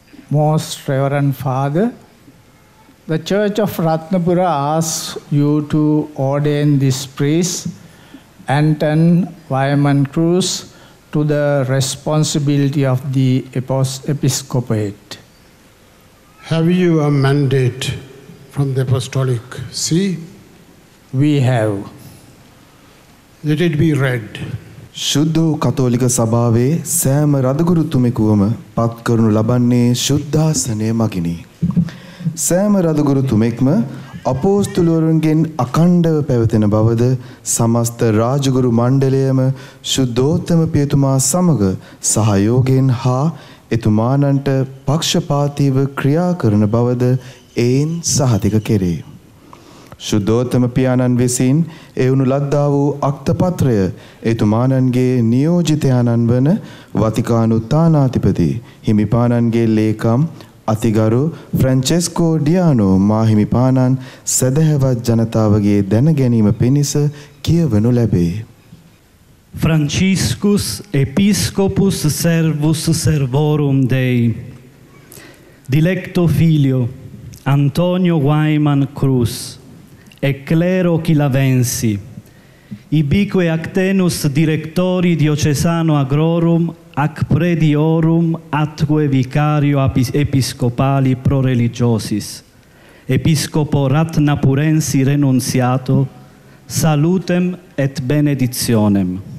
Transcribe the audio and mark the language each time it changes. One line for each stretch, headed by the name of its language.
English: Most Reverend Father, the Church of Ratnapura asks you to ordain this priest, Anton Wyman Cruz, to the responsibility of the Episcopate. Have you a mandate from the Apostolic See? We have. Let it be read.
Sinhala: ශුද්ධ කතෝලික සභාවේ සෑම රදගුරුතුමෙකුවම පත් කරනු ලබන්නේ ශුද්ධාසනය මගිනි. සෑම රදගුරුතුමෙක්ම අපෝස්තුලවරුන්ගෙන් අකණ්ඩව පැවතෙන බවද සමස්ත රාජගුරු මණ්ඩලයම ශුද්ධෝත්තම පියතුමා සමග සහයෝගයෙන් හා එතුමානන්ට පක්ෂපාතීව ක්‍රියා කරන බවද එයින් සහතික කෙරේ. ශුද්ධෝත්තම පියාණන් විසින් එවුණු ලද්දා වූ අක්තපත්‍රය එතුමානන්ගේ නියෝජිතයාණන් වන වතිකානු තානාතිපති හිමිපාණන්ගේ ලේකම් අතිගරු ෆ්‍රැන්චෙස්කෝ ඩියානෝ මාහිමිපාණන් සැදැහැවත් ජනතාවගේ දැන ගැනීම පිණිස කියවනු ලැබේ.
Latin: ෆ්‍රැන්චිස්කුස් එපිස්කොපුස් සර්වුස් සර්වෝරුම් දෙයි දිලෙක්ටෝ ෆිලියෝ අන්තෝනියෝ වයමන් ක්‍රුස් e clero chi la vensi, ibique actenus directori diocesano agrorum, ac prediorum atque vicario episcopali pro religiosis, episcopo ratnapurensi renunciato, salutem et benedizionem.